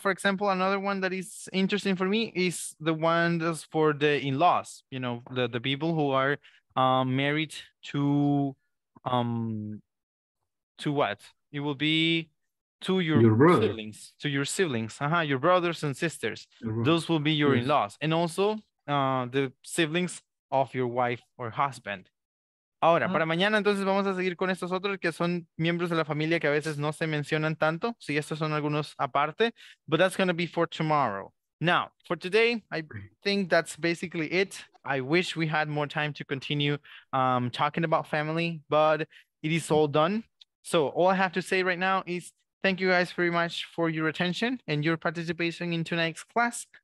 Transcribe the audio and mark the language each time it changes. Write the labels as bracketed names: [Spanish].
[English] For example, another one that is interesting for me is the one that's for the in-laws, you know, the people who are married to what? It will be to your siblings, to your siblings, your brothers and sisters. Those will be your in-laws, and also the siblings of your wife or husband. [Spanish] Ahora, para mañana, entonces vamos a seguir con estos otros que son miembros de la familia que a veces no se mencionan tanto. Sí, estos son algunos aparte, [English] but that's going to be for tomorrow. Now, for today, I think that's basically it. I wish we had more time to continue talking about family, but it is all done. So all I have to say right now is thank you guys very much for your attention and your participation in tonight's class.